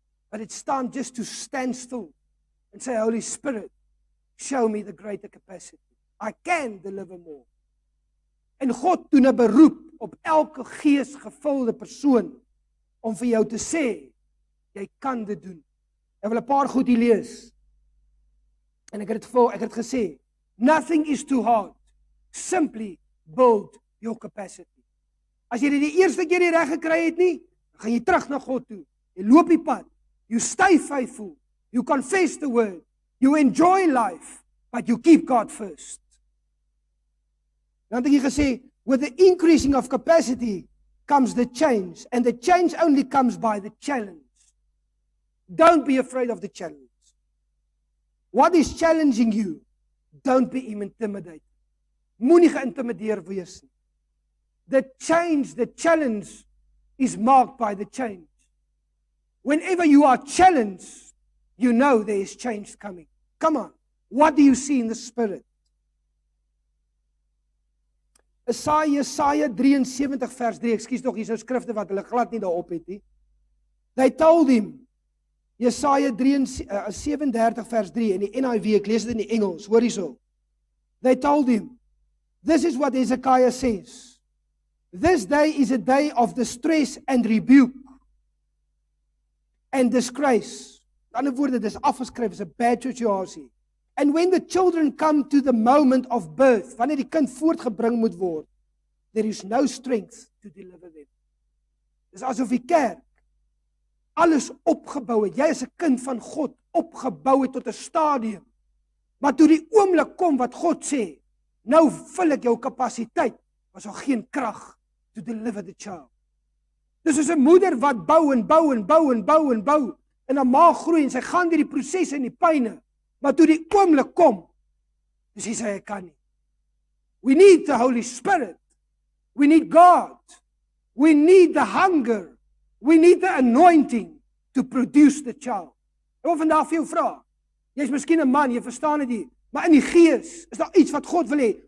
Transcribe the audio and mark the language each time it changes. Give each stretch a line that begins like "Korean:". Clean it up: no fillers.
English: But it's time just to stand still and say, Holy Spirit, show me the greater capacity. I can deliver more.
Afrikaans: En God doen 'n beroep op elke geesgevulde persoon om vir jou te sê, jy kan dit doen. Ek wil 'n paar goed hier lees. En ek het gesê,
English: nothing is too hard. Simply build your capacity.
Afrikaans: As jy dit die eerste keer nie reg gekry het nie, gaan jy terug na God toe. Jy loop die pad.
English: You stay faithful. You confess the word. You enjoy life, but you keep God first.
Afrikaans: Dan het ek gesê,
English: with the increasing of capacity comes the change, and the change only comes by the challenge. Don't be afraid of the challenge. What is challenging you? Don't be intimidated.
Afrikaans: Moenie geïntimideer wees nie.
English: The change, the challenge is marked by the change. Whenever you are challenged, you know there is change coming. Come on, what do you see in the spirit?
Afrikaans: Isaiah 73 vers 3, excuse nog, hier is skrifte wat hulle glad nie daarop het nie.
English: They told him,
Afrikaans: Isaiah 37 vers 3, in die NIV, ek lees dit in die Engels, hoor hierso.
English: They told him, this is what Hezekiah says, this day is a day of distress and rebuke, and disgrace.
Afrikaans: In ander woorde, dis afgeskryf as 'n bad situasie.
English: And when the children come to the moment of birth,
Afrikaans: wanneer die kind voortgebring moet word,
English: there is no strength to deliver them.
Afrikaans: Dis asof die kerk alles opgebou het. Jy is 'n kind van God, opgebou het tot 'n stadium. Maar toe die oomblik kom wat God sê, nou vul ek jou kapasiteit, was daar geen krag
English: to deliver the child.
Afrikaans: Dis is 'n moeder wat bou en bou en bou en bou en bou en haar maag groei en sy gaan deur die proses en die pyne. Maar toe die oomblik kom, dis hy sê hy kan nie.
English: We need the Holy Spirit. We need God. We need the hunger. We need the anointing to produce the child.
Afrikaans: Ek wil vandag vir jou vra. Jy's miskien 'n man, jy verstaan dit nie, maar in die gees is daar iets wat God wil hê.